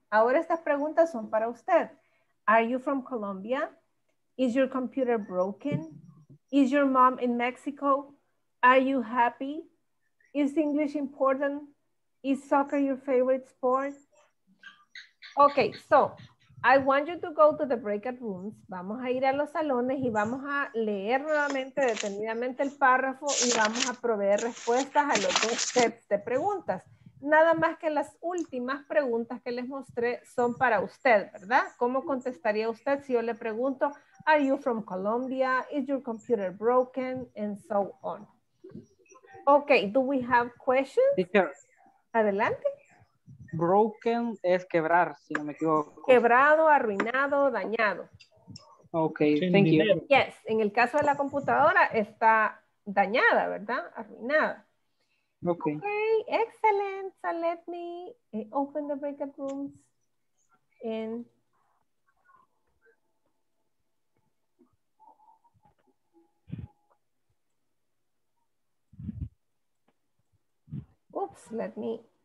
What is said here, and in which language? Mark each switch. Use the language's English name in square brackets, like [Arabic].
[Spanish] Ahora estas preguntas son para usted. [English] Are you from Colombia? Is your computer broken? Is your mom in Mexico? Are you happy? Is English important? Is soccer your favorite sport? Okay, so I want you to go to the breakout rooms. [Spanish] Vamos a ir a los salones y vamos a leer nuevamente detenidamente el párrafo y vamos a proveer respuestas a los dos sets de preguntas. Nada más que las últimas preguntas que les mostré son para usted, ¿verdad? ¿Cómo contestaría usted si yo le pregunto, [English] are you from Colombia? Is your computer broken? And so on. Okay, do we have questions? Teacher. [Spanish] Adelante. Broken es quebrar, si no me equivoco. Quebrado, arruinado, dañado. [English] Okay, thank you. [Spanish] Yes, en el caso de la computadora está dañada, ¿verdad? Arruinada. [English] Okay. Okay, excellent. So let me open the breakout rooms and oops, let me.